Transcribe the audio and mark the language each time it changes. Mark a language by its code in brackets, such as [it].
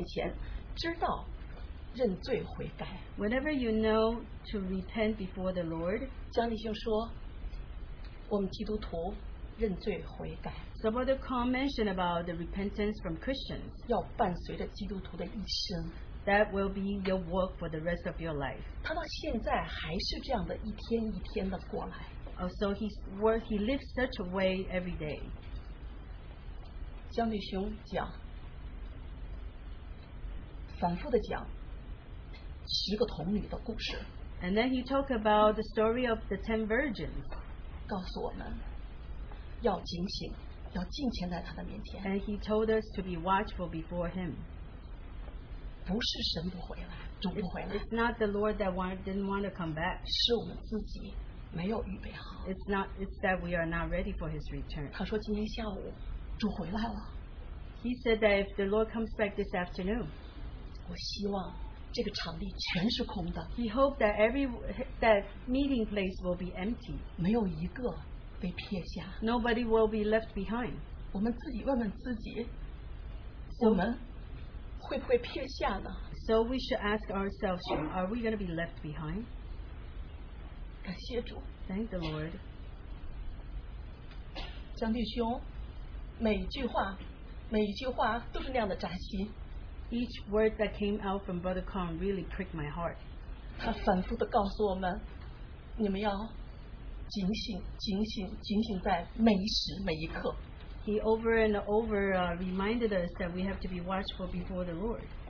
[zh] 在你什么时候开始在神的面前知道认罪悔改? [en] Whenever you know to repent before the Lord, [zh] 江立兄说, 我们基督徒认罪悔改, [en] somebody mentioned about the repentance from Christians, [zh] 要伴随着基督徒的一生, [en] that will be your work for the rest of your life. [zh] 他到现在还是这样的一天一天的过来。 [en] Oh, so he lives such a way every day. [zh] 江立兄讲, 反复地讲, 十个童女的故事。 [en] And then he talked about the story of the 10 virgins. [zh] 告诉我们, 要警醒, 要敬虔在他的面前。 [en] And he told us to be watchful before him. [zh] 不是神不回来, 主不回来, [en] it's not the Lord that didn't want to come back. [zh] 是我们自己没有预备好, [en] it's that we are not ready for his return. [zh] 他说今天下午, 主回来了, [en] he said that if the Lord comes back this afternoon, [zh] 我希望这个场地全是空的, [en] he hoped that that meeting place will be empty. [zh] 没有一个被撇下, [en] nobody will be left behind. [zh] 我们自己问问自己, so, 我们, 会不会撇下呢? [en] So we should ask ourselves, are we going to be left behind? [zh] 感谢主, [en] thank the Lord. [zh] 江弟兄, 每一句话, 每一句话都是那样的扎心, [en] each word that came out from Brother Kong really pricked my heart. [zh] 他反复地告诉我们, 你们要警醒, 警醒, 警醒在每一时每一刻。 [en] He over and over reminded us that we have to be watchful before the Lord.